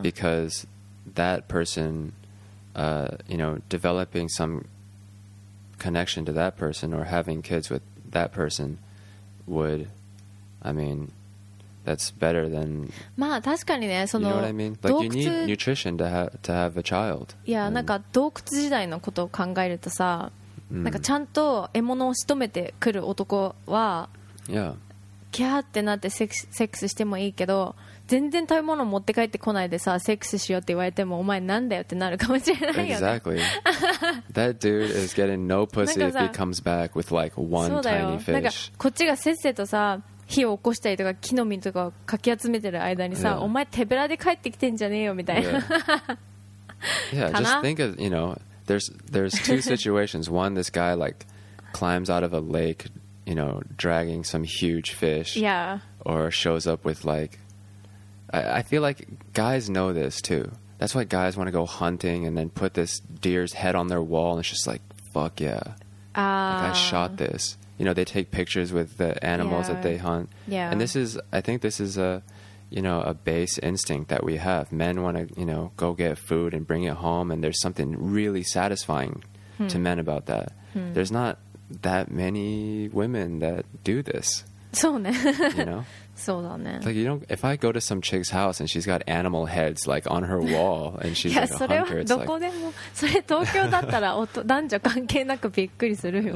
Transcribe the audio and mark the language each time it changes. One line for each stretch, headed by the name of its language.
English: Because that person, you know, developing some connection to that person or having kids with that person would, I mean, that's better than,
Japanese: まあ確かにね、その、
English: you know what I mean? Like, you need nutrition to have a child.
Japanese: Yeah, なんか洞窟時代のことを考えるとさ、なんかちゃんと獲物を仕留めてくる男は、
English: yeah.
Japanese: キャーってなってセックスしてもいいけど、全然食べ物持って帰ってこないでさ、セックスしようって言われても、お前なんだよってなるかもしれないよね。
English: Exactly. That dude is getting no pussy if he comes back with like one tiny fish.
Japanese: そうだよ、なんかこっちがせっせとさ火を起こしたりとか木の実とかをかき集めてる間にさ、yeah. お前手ぶらで帰ってきてんじゃねえよみたいな。
English: Yeah, yeah. Just think of, you know, There's two situations. One, this guy like climbs out of a lake, you know, dragging some huge fish. Yeah. Or shows up with like, I feel like guys know this too. That's why guys want to go hunting and then put this deer's head on their wall, and it's just like, fuck yeah, like, I shot this. You know, they take pictures with the animals that they hunt. Yeah. And this is, I think this is a, you know, a base instinct that we have. Men want to, you know, go get food and bring it home, and there's something really satisfying to men about that. There's not that many women that do this.
Japanese: そうね。
English: You know?
Japanese: そうだね。
English: Like, you know, if I go to some chick's house and she's got animal heads like on her wall and she's like a hunter, it's like...
Japanese: それはどこでも、それ東京だったら男女関係なくびっくりするよ。